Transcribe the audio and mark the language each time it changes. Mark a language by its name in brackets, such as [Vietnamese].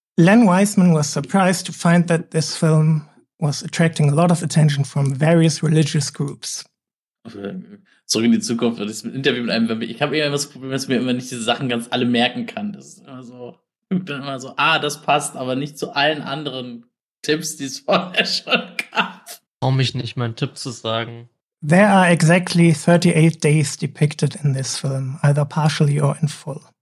[English] Len Wiseman was surprised to find that this film was attracting a lot of attention from various religious groups. [German] Zurück in die Zukunft. Das Interview mit einem, ich habe immer das Problem, dass ich mir immer nicht diese Sachen ganz alle merken kann. Das ist immer so. Ich bin immer so, das passt, aber nicht zu allen anderen Tipps, die es vorher schon gab. Brauch mich nicht, meinen Tipp zu sagen. [English] There are exactly 38 days depicted in this film, either partially or in full.